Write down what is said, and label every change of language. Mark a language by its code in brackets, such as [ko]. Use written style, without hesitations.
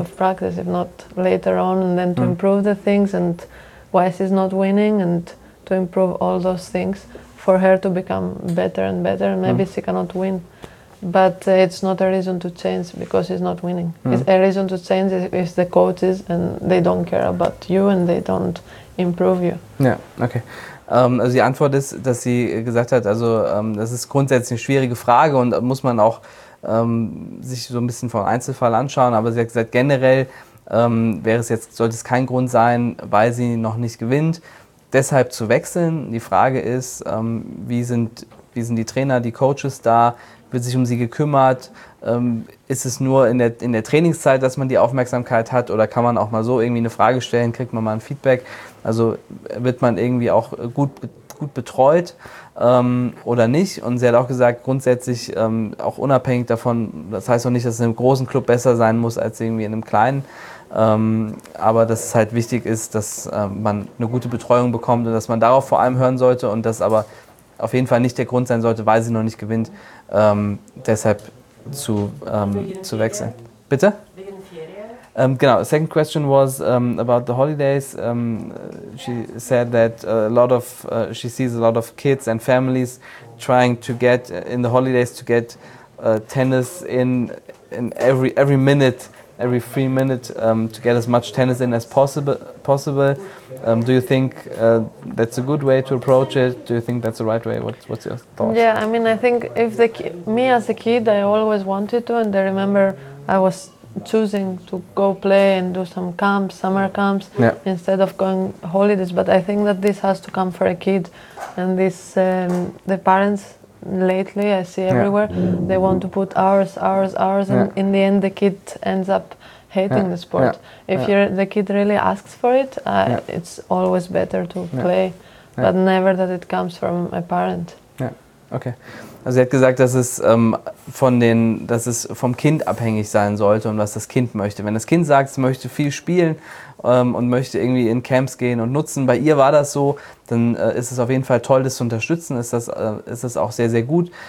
[en] of practice, if not later on, and then to mm. improve the things and why she's not winning and to improve all those things. For her to become better and better, and maybe mm. she cannot win. But it's not a reason to change because she's not winning. Mm. It's a reason to change is the coaches, and they don't care about you and they don't improve you. Yeah, okay. [de] Also die Antwort ist, dass sie gesagt hat, also das ist grundsätzlich eine schwierige Frage und muss man auch sich so ein bisschen vom Einzelfall anschauen, aber sie hat gesagt, generell sollte es kein Grund sein, weil sie noch nicht gewinnt, deshalb zu wechseln. Die Frage ist, wie sind die Trainer, die Coaches da? Wird sich um sie gekümmert? Ist es nur in der Trainingszeit, dass man die Aufmerksamkeit hat? Oder kann man auch mal so irgendwie eine Frage stellen? Kriegt man mal ein Feedback? Also wird man irgendwie auch gut betreut oder nicht? Und sie hat auch gesagt, grundsätzlich auch unabhängig davon, das heißt auch nicht, dass es in einem großen Club besser sein muss als irgendwie in einem kleinen. Aber dass es halt wichtig ist, dass man eine gute Betreuung bekommt und dass man darauf vor allem hören sollte und das aber auf jeden Fall nicht der Grund sein sollte, weil sie noch nicht gewinnt, deshalb zu wechseln. Ferien. Bitte? Wegen Ferien? Genau, [en] second question was about the holidays. She said that she sees a lot of kids and families trying to get in the holidays to get tennis in every minute. Every 3 minutes to get as much tennis in as possible. Do you think that's a good way to approach it? Do you think that's the right way? What's your thought? Yeah, I mean, I think me as a kid, I always wanted to, and I remember I was choosing to go play and do some camps, summer camps, yeah. instead of going holidays. But I think that this has to come for a kid, and this the parents. Lately, I see everywhere, yeah. they want to put hours, yeah. and in the end, the kid ends up hating yeah. the sport. Yeah. If yeah. the kid really asks for it, yeah. it's always better to yeah. play, yeah. but never that it comes from a parent. Yeah, okay. [de] Also sie hat gesagt, dass es vom Kind abhängig sein sollte und was das Kind möchte. Wenn das Kind sagt, es möchte viel spielen und möchte irgendwie in Camps gehen und nutzen, bei ihr war das so, dann ist es auf jeden Fall toll, das zu unterstützen, ist das auch sehr, sehr gut.